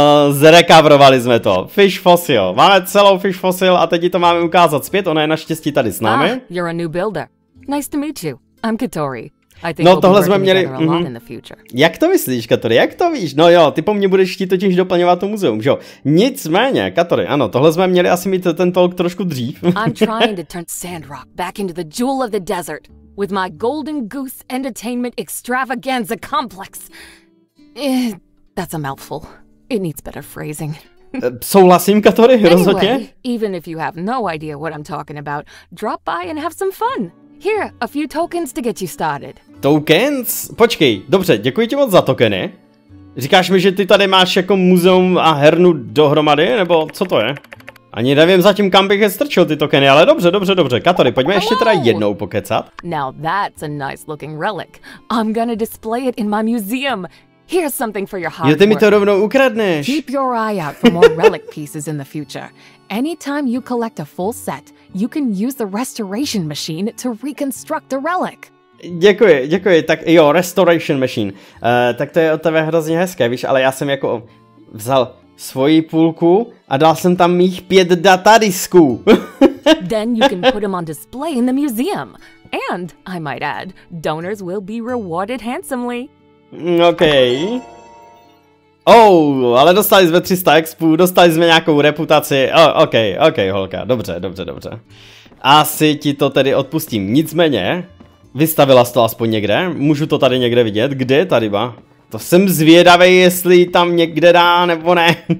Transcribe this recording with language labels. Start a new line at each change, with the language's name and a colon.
Czech: Zrekavrovali jsme to. Fish fossil. Máme celou fish fossil a teď ti to máme ukázat zpět. Ona je naštěstí tady s námi.
English: You're a new builder. Nice to meet you. I'm Katory.
Czech: No tohle jsme měli. Jak to myslíš, Katory? Jak to víš? No jo, ty po mně budeš chtít totiž doplňovat to muzeum, že jo? Nicméně, Katory, ano, tohle jsme měli asi mít ten talk trošku dřív.
English: I'm trying to turn Sandrock back into the jewel of the desert with my golden goose entertainment extravaganza complex. That's a mouthful. It needs better phrasing.
Czech: Souhlasím, Katory, rozhodně.
English: Anyway, even if you have no idea what I'm talking about, drop by and have some fun. Here, a few tokens to get you started. Tokens?
Czech: Počkej, dobře, děkuji ti moc za tokeny. Říkáš mi, že ty tady máš jako muzeum a hernu dohromady, nebo co to je? Ani nevím zatím, kam bych je strčil ty tokeny, ale dobře. Katory, pojďme ještě teda jednou pokecat.
English: Now that's a nice looking relic. I'm gonna display it in my museum. Here's something for your hard work.
Czech: Jo, ty mi to rovnou ukradneš.
English: Keep your eye out for more relic pieces in the future. Anytime you collect a full set, you can use the restoration machine to reconstruct a relic.
Czech: Děkuji. Tak jo, restoration machine. Tak to je od tebe hrozně hezké, víš, ale já jsem jako vzal svoji půlku a dal jsem tam mých 5 datadisků.
English: Then you can put them on display in the museum. And, I might add, donors will be rewarded handsomely.
Czech: Okej. Oh, ale dostali jsme 300 expů, dostali jsme nějakou reputaci. Okej, holka, dobře. Asi ti to tedy odpustím. Nicméně, vystavila jsi to aspoň někde? Můžu to tady někde vidět? Kde tady ba? To jsem zvědavý, jestli tam někde dá nebo ne.